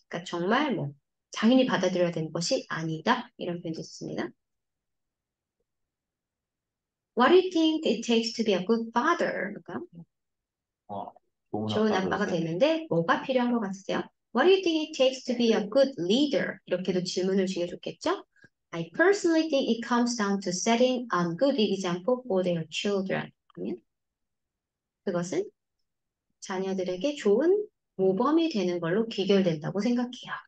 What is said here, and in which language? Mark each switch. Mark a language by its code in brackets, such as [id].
[ko] 그러니까 정말 뭐, 당연히 받아들여야 되는 것이 아니다. 이런 표현도 있습니다. [en] What do you think it takes to be a good father? [ko] 좋은 좋은 아빠가 아빠가 되어야 돼. 되는데 뭐가 필요한 것 같으세요? [en] What do you think it takes to be a good leader? [ko] 이렇게도 질문을 주셔줬겠죠? [en] I personally think it comes down to setting a good example for their children. [ko] 그것은 자녀들에게 좋은 모범이 되는 걸로 귀결된다고 생각해요.